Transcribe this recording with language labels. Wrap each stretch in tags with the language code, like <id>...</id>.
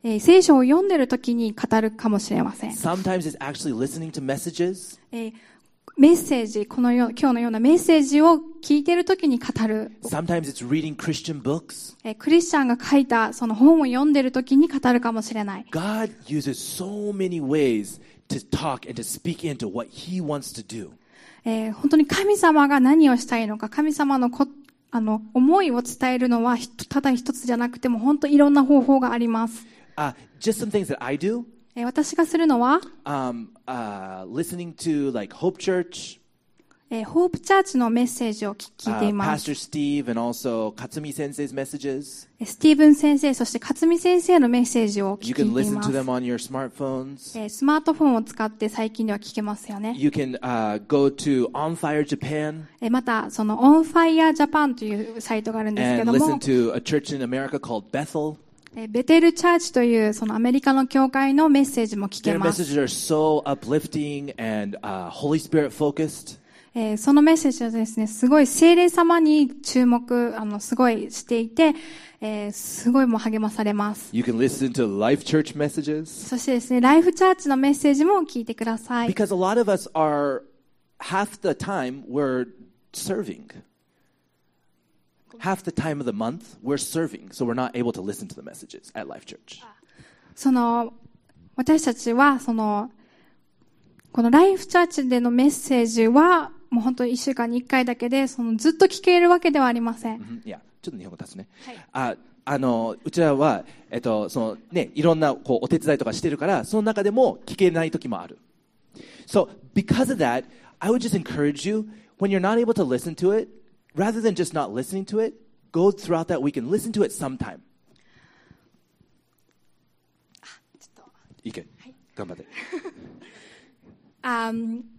<ja>聖書を読んでるときに語るかもしれません。</ja> <en>Sometimes it's actually listening to messages.</en> <ja>メッセージ、このよう、今日のようなメッセージを聞いてるときに語る。</ja> <en>Sometimes it's reading Christian books.</en> <ja>クリスチャンが書いたその本を読んでるときに語るかもしれない。</ja> <en>God uses so many ways to talk and to speak into what He wants to do.</en> <ja>本当に神様が何をしたいのか、神様の思いを伝えるのはただ一つじゃなくても本当いろんな方法があります。</ja> <en>Just some things that I do.</en> <ja>私がするのは、</ja> <en>listening to like Hope Church.</en> <ja>Hope Church のメッセージを聞いています。</ja> <en>Pastor Steve and also Katsumi 先生's messages.</en> <ja>スティーブン先生そして Katsumi 先生のメッセージを聞いています。</ja> <en>You can listen to them on your smartphones.</en> <ja>スマートフォンを使って最近では聞けますよね。</ja> <en>You can go to On Fire Japan.</en> <ja>またその On Fire Japan というサイトがあるんですけども。</ja> <en>And listen to a church in America called Bethel.</en> <ja>ベテルチャーチというそのアメリカの教会のメッセージも聞けます。</ja> <en>Their messages are so uplifting and Holy Spirit focused.</en> <ja>そのメッセージはですね、すごい聖霊様に注目すごいしていて、すごいも励まされます。</ja> <en>You can listen to Life Church messages.</en> <ja>そしてですね、ライフチャーチのメッセージも聞いてください。</ja> <en>Because a lot of us are half the time we're serving. Half the time of the month, we're serving, so we're not able to listen to the messages at Life Church.</en> <ja>その私たちはそのこのLife Churchでのメッセージはもう本当に1週間に1回だけで、そのずっと聞けるわけではありません。いや、ちょっと日本語立つね。はい。うちらはそのね、いろんなこうお手伝いとかしてるから、その中でも聞けない時もある。</ja> <en>So because of that, I would just encourage you when you're not able to listen to it. Rather than just not listening to it, go throughout that week and listen to it sometime.</en> <ja>いけ、頑張って。</ja>